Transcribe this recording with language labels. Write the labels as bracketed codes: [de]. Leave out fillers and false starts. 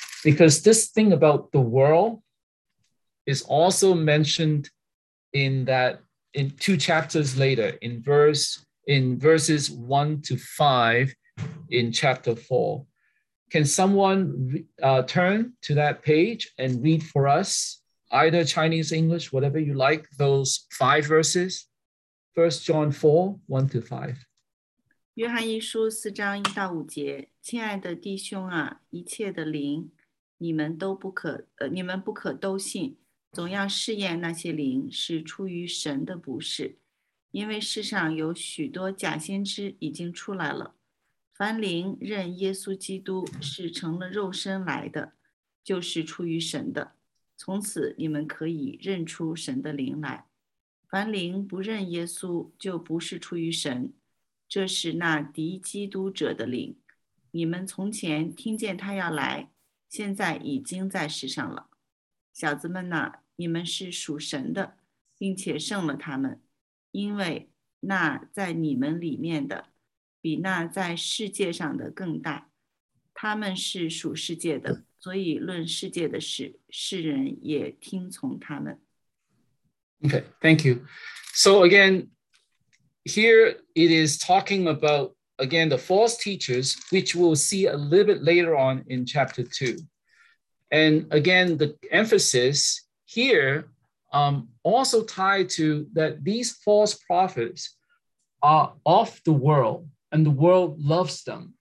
[en] Because this thing about the world is also mentioned in that, in two chapters later, in verses 1 to 5 in chapter 4. Can someone turn to that page and read for us, either Chinese, English, whatever you like, those five verses? 1 John 4, 1 to 5. [zh] 约翰一书4章1到5节 亲爱的弟兄啊,一切的灵,你们不可都信, 总要试验那些灵是出于神的不是, 因为世上有许多假先知已经出来了, 凡灵认耶稣基督是成了肉身来的, 就是出于神的, 从此你们可以认出神的灵来, 凡灵不认耶稣就不是出于神, 这是那敌基督者的灵,你们从前听见他要来,现在已经在世上了。小子们啊,你们是属神的,并且胜了他们,因为那在你们里面的比那在世界上的更大。他们是属世界的,所以论世界的事,世人也听从他们。 [en] Okay, thank you. So again, here it is talking about, again, the false teachers, which we'll see a little bit later on in chapter 2. And again, the emphasis here also tied to that these false prophets are of the world, and the world loves them.